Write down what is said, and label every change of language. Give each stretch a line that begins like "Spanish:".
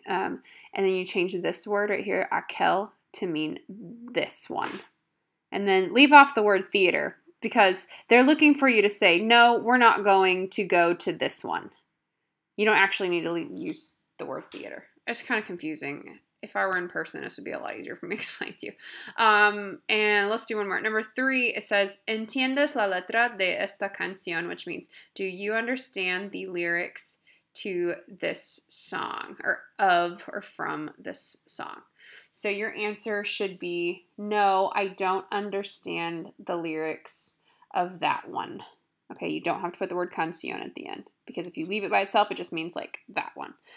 English: And then you change this word right here, aquel, to mean this one. And then leave off the word theater, because they're looking for you to say, no, we're not going to go to this one. You don't actually need to use the word theater. It's kind of confusing. If I were in person, this would be a lot easier for me to explain to you. And let's do one more. Number three, it says,
Spanish: ¿Entiendes la letra de esta canción?
English: Which means, do you understand the lyrics to this song, or of, or from this song? So your answer should be, no, I don't understand the lyrics of that one. Okay, you don't have to put the word canción at the end, because if you leave it by itself, it just means like that one.